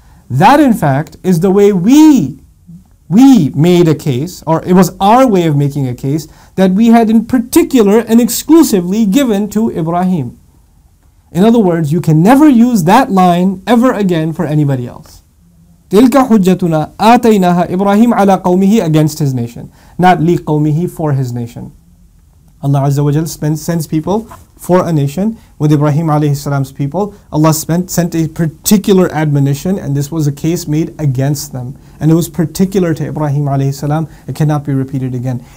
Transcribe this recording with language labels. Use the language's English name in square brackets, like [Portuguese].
[English] That in fact is the way we made a case, or it was our way of making a case, that we had in particular and exclusively given to Ibrahim. In other words, you can never use that line ever again for anybody else. [Arabic] تِلْكَ حُجَّتُنَا آتَيْنَاهَا إِبْرَاهِيمَ عَلَىٰ قَوْمِهِ, [English] against his nation. Not [Arabic] لِي قَوْمِهِ, [English] for his nation. Allah Azza wa Jal sends people for a nation. With Ibrahim alayhi salam's people, Allah sent a particular admonition, and this was a case made against them. And it was particular to Ibrahim alayhi salam. It cannot be repeated again.